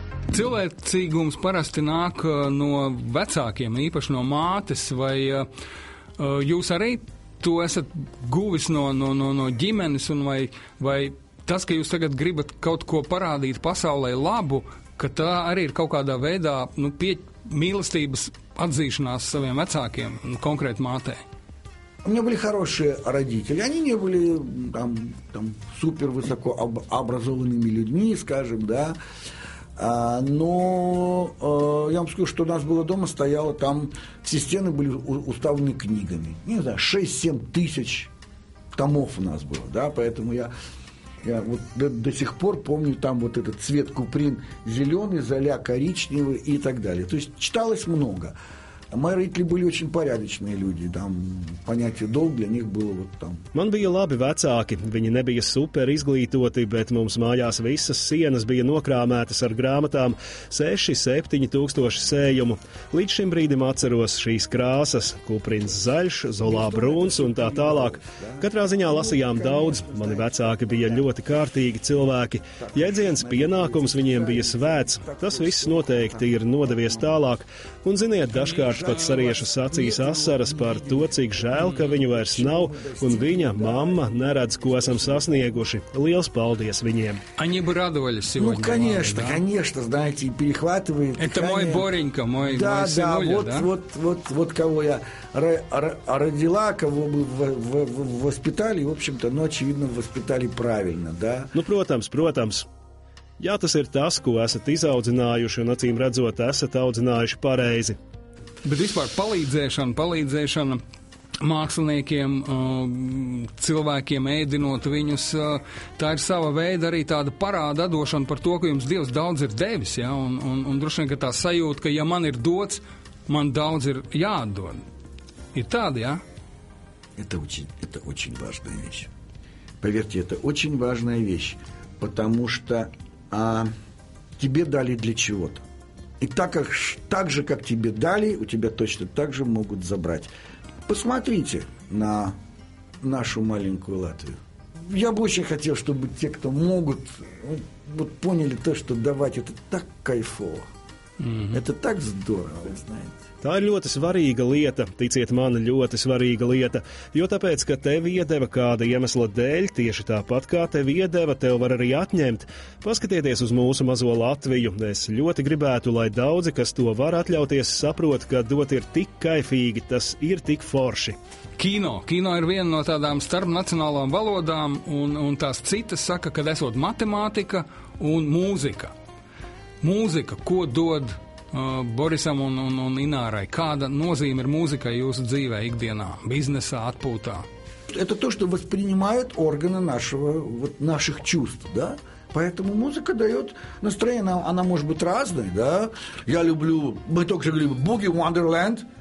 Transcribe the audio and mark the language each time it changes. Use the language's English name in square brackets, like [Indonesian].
[Latvian] Cilvēcīgums parasti nāk no vecākiem, īpaši no mātes, vai jūs arī tu esat guvis no ģimenes, un vai tas, ka jūs tagad gribat kaut ko parādīt pasaulē labu, ka tā arī ir kaut kādā veidā nu, pie mīlestības atzīšanās saviem vecākiem, nu, konkrēti mātē? [Russian] Мне были хорошие родители. Они не были там супер высоко образованными людьми, скажем, да. Но я вам скажу, что у нас было дома, стояло там, все стены были уставлены книгами. Не знаю, 6-7 тысяч томов у нас было, да, поэтому я вот до сих пор помню там вот этот цвет куприн зеленый, золя коричневый и так далее. То есть читалось много. Мои родители были очень порядочные люди, там понятие долг для них было вот там. [Latvian] Man bija labi vecāki, viņi nebija super izglītoti, bet mums mājās visas sienas bija nokrāmētas ar grāmatām 6-7 tūkstoši sējumu. Līdz šim brīdim atceros šīs krāsas, kuprins zaļš, zolā brūns un tā tālāk. Katrā ziņā lasījām daudz, mani vecāki bija ļoti kārtīgi cilvēki. Jēdziens pienākums viņiem bija svēts, tas viss noteikti ir nodevies tālāk. Un ziniet, dažkārši pat sariešu sacīs asaras par to, cik žēl, ka viņu vairs nav, un viņa mamma neredz, ko esam sasnieguši. Liels paldies viņiem. [Russian] Они бы радовались сегодня. Ну, конечно, конечно, знаете, и перехватывает. Это мой Боренька, мой сынуля, да? Да, вот кого я родила, кого бы воспитали, в общем-то, но очевидно воспитали правильно, да? [Latvian] Ну, protams. Jā, tas ir tas, ko esat izaudzinājuši, un acīm redzot, esat audzinājuši pareizi. Bet vispār palīdzēšana māksliniekiem, cilvēkiem ēdinot viņus, tā ir sava veida arī tāda parāda došana par to, ka jums Dievs daudz ir devis, ja? Un droši vien, ka tā sajūta, ka ja man ir dots, man daudz ir jāatdod. Ir tāda, jā? [Russian] Это очень важная вещь. Поверьте, это очень важная вещь, потому что А тебе дали для чего-то. И так же, как тебе дали, у тебя точно так же могут забрать. Посмотрите на нашу маленькую Латвию. Я бы очень хотел, чтобы те, кто могут, вот поняли то, что давать это так кайфово. Mm-hmm. Это так здорово, вы знаете. [Latvian] Tā ir ļoti svarīga lieta, ticiet man, ļoti svarīga lieta, jo tāpēc, ka tevi iedeva kāda iemesla dēļ, tieši tāpat kā tevi iedeva, tev var arī atņemt. Paskatieties uz mūsu mazo Latviju. Es ļoti gribētu, lai daudzi, kas to var atļauties, saprot, ka dot ir tik kaifīgi, tas ir tik forši. Kino ir viena no tādām starpnacionālām valodām, un tās citas saka, kad esot matemātika un mūzika. Mūzika, ko dod... Borisam un Inārai, kāda nozīme ir mūzikai jūsu dzīvē ikdienā, biznesā, atpūtā? [Russian] Это то, что воспринимают органы наших чувств, да? Поэтому музыка даёт настроение, она может быть разной, да? Я люблю, мы только же говорили, Boogie Wonderland,